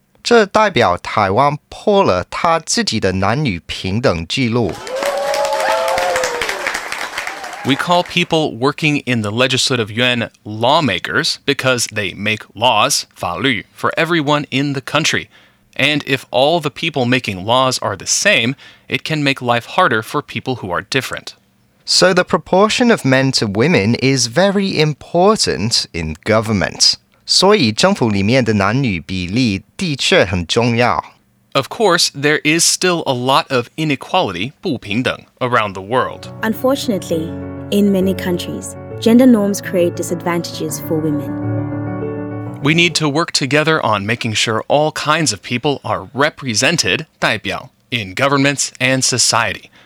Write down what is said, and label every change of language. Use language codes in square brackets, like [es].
[zh] 这代表台湾破了它自己的男女平等纪录。 [en] We call people working in the Legislative Yuan lawmakers because they make laws, [zh] 法律, [en] for everyone in the country. And if all the people making laws are the same, it can make life harder for people who are different. So the proportion of men to women is very important in government. [zh] 所以政府里面的男女比例的确很重要。 [en] Of course, there is still a lot of inequality, [zh] 不平等, [en] around the world. Unfortunately, in many countries, gender norms create disadvantages for women. We need to work together on making sure all kinds of people are represented, [zh] 代表, [en] in governments and society.